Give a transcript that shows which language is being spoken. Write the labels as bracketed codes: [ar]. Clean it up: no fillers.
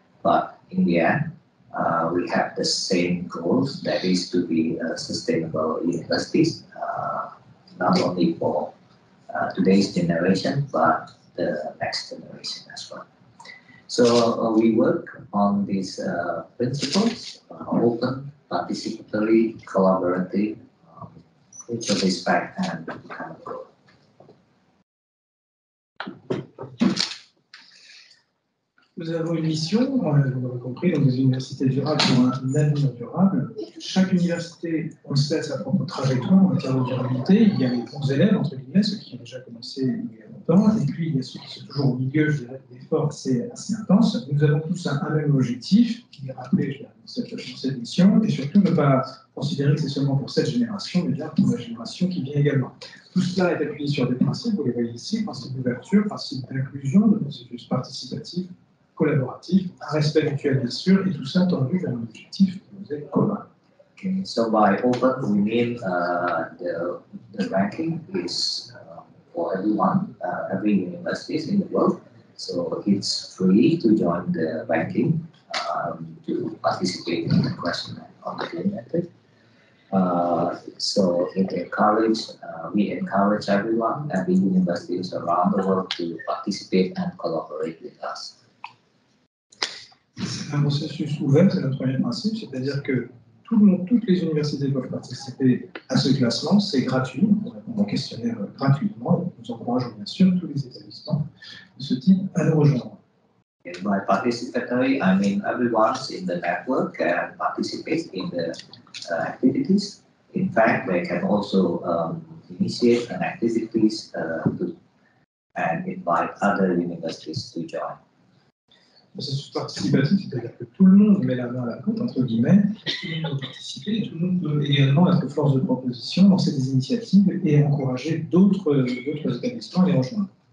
[en] But in the end, we have the same goals, that is to be sustainable universities, not only for today's generation, but the next generation as well. So we work on these principles, open, participatory, collaborative, which of these back and kind of goal. [fr] Nous avons une mission, vous l'avez compris, donc des universités durables pour un avenir durable. Chaque université, on le sait, a sa propre trajectoire en matière de durabilité. Il y a les bons élèves, entre guillemets, ceux qui ont déjà commencé il y a longtemps, et puis il y a ceux qui sont toujours au milieu, je dirais, d'efforts assez intenses. Nous avons tous un même objectif, qui est rappelé dans cette mission, et surtout ne pas considérer que c'est seulement pour cette génération, mais bien pour la génération qui vient également. Tout cela est appuyé sur des principes, vous les voyez ici, principe d'ouverture, principe d'inclusion, de processus participatif, collaboratif, un respect mutuel bien sûr, et tout ça tendu vers un objectif commun. [en] Okay, so by open, we mean the ranking is for everyone, every university in the world. So it's free to join the ranking to participate in the question on the Green Metric. So it encourages, we encourage everyone, every university around the world to participate and collaborate with us. [fr] C'est un processus ouvert, c'est notre premier principe, c'est-à-dire que tout le monde, toutes les universités peuvent participer à ce classement, c'est gratuit, on répond au questionnaire gratuitement, nous encourageons bien sûr tous les établissements de ce type à nous rejoindre. [en] And by participatory, I mean everyone in the network can participate in the activities. In fact, they can also initiate an activities and invite other universities to join. [fr] C'est participatif, c'est-à-dire que tout le monde met la main à la pâte, entre guillemets, tout le monde peut participer, tout le monde peut également être force de proposition, lancer des initiatives et encourager d'autres établissements à les rejoindre.